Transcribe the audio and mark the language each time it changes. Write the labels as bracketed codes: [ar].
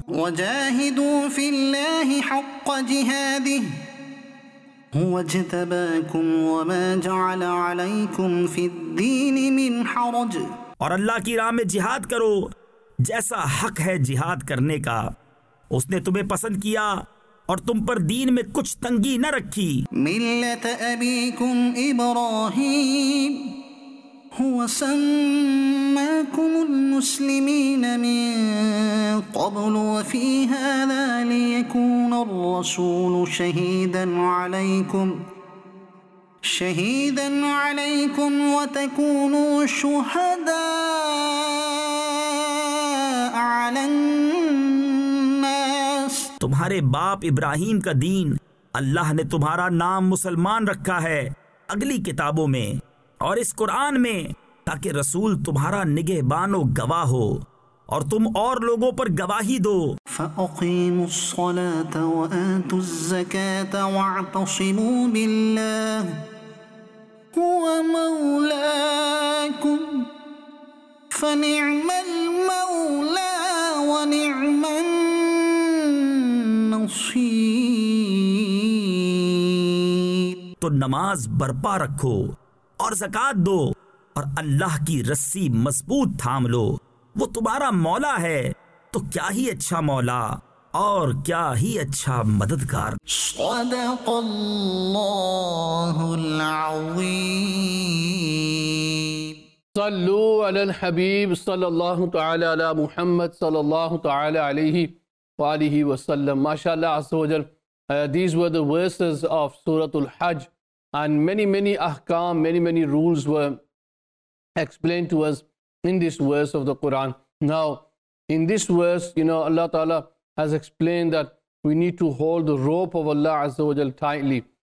[ar] وَجَاهِدُوا فِي اللَّهِ حَقَّ جِهَادِهِ وَاجْتَبَاكُمْ وَمَا جَعَلَ عَلَيْكُمْ فِي الدِّينِ مِنْ حَرَجْ [ur] اور اللہ کی راہ میں جہاد کرو جیسا حق ہے جہاد کرنے کا اس نے تمہیں پسند کیا اور تم پر دین میں کچھ تنگی نہ رکھی [ar] مِلَّتَ أَبِيكُمْ إِبْرَاهِيمِ هو سماكم المسلمين من قبل وفي هذا ليكون الرسول شهيدا عليكم وتكونوا شهداء على الناس [ur] تمہارے باپ ابراہیم کا دین اللہ نے تمہارا نام مسلمان رکھا ہے اگلی کتابوں میں اور اس قرآن میں تاکہ رسول تمہارا نگہبان و گواہ ہو اور تم اور لوگوں پر گواہی دو [ar] فأقيموا الصلاة وآتوا الزكاة واعتصموا بالله هو مولاكم فنعم المولى ونعم النصير. [ur] تو نماز برپا رکھو اور زکات دو اور اللہ کی رسی مضبوط تھام لو, وہ تمہارا مولا ہے تو کیا ہی اچھا مولا اور کیا ہی اچھا مددگار. [ar] صدق اللہ العظیم. صلو علی الحبیب صلی اللہ تعالی علی محمد صلی اللہ تعالی علیہ وآلہ وسلم. [en] ماشاءاللہ عزوجل, these were the verses of Surah Al-Hajj and many احکام, many rules were explained to us in this verse of the Quran. Now in this verse, you know, Allah Ta'ala has explained that we need to hold the rope of Allah Azza wa Jal tightly.